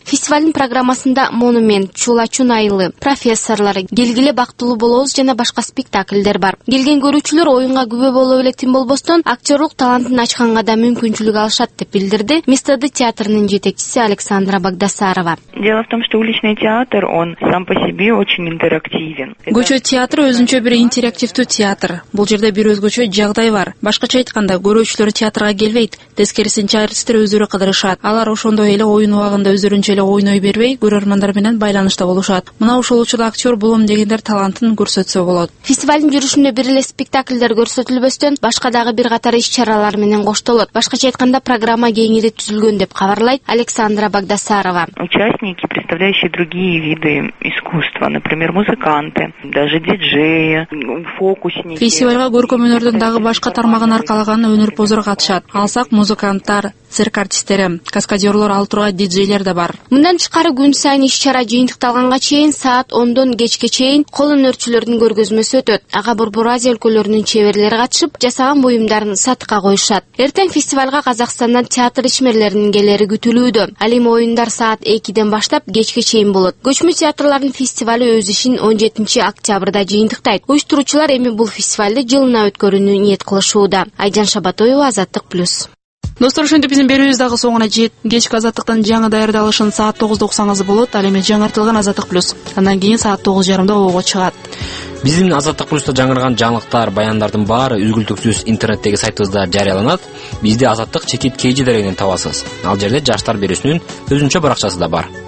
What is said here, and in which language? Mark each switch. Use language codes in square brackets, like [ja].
[ky] Фестивалдын программасында Монумент, Чулачун айылы, профессорлары, Келгиле бактылуу болобуз жана башка спектакльдер бар. Келген көрүүчүлөр оюнга күбө болуп эле тим болбостон, актерлук талантын ачканга да мүмкүнчүлүк алышат деп билдирди Место Д театрынын жетекчиси Александра Багдасарова. [ru] Дело в том, что уличный театр, он сам по себе очень интерактивен. [ky] Көчө театры өзүнчө бир интерактивдүү театр. Бул жерде бир өзгөчө жагдай бар. Башкача айтканда, көрүүчүлөр театрга келбейт, тескерисинче артисттер өзүрө кыдырышат. Алар ошондой эле оюн убагында өзүрүнчө эле ойной бербей, көрөрмандар менен байланышта болушат. Мына ушул учурда актер болом дегендер талантын көрсөтсө болот. Фестивалдын жүрүшүндө бир эле спектакльдер көрсөтүлбөстөн, башка дагы бир катар иш-чаралар менен коштолот. Башкача айтканда, программа кеңири түзүлгөн деп кабарлайт Александра Багдасарова. [ru] Участники, представляющие другие виды искусства, например, музыканты, даже диджеи, фокусники. [ky] Фестивалга көркөм өнөрдүн дагы башка тармагын аркалаган өнөрпоздор катышат. Алсак, музыканттар, цирк артисттери, каскадерлор, ал турган диджейлер да бар. Мындан тышкары күн сайын иш-чара жыйынтыкталганга чейин саат 10:00 кечке чейин кол өнөрчүлөрдүн көргөзмөсү өтөт. Ага Борбор Азия өлкөлөрүнүн чеберлери катышып, жасаган буюмдарын сатыкка коюшат. Эртең фестивалга Казакстандан театр ишмерлеринин келери күтүлүүдө. Ал эми оюндар саат 2:00 баштап кечке чейин болот. Көчмө театрлардын фестивалы өз ишин 17 октябрда жыйынтыктайт. Уюштуруучулар эми бул фестивалды жылына өткөрүүнү ниет кылышууда. Айжан Шабатоева, Азаттык Плюс. Достор, ошентип биздин берүүбүз дагы соңуна жетти. Кечки Азаттыктын жаңы даярдалышын саат 9:00 уксаңыз болот, ал эми жаңыртылган Азаттык Плюс. Андан кийин саат 9:30 обого чыгат. Биздин Азаттык Плюста жаңырган жаңылыктар, баяндардын баары үзгүлтүксүз интернеттеги сайтыбызда жарыяланат. Бизди Азаттык чекит KG дегенден табасыз. Ал жерде жаштар берүүсүнүн өзүнчө баракчасы да бар.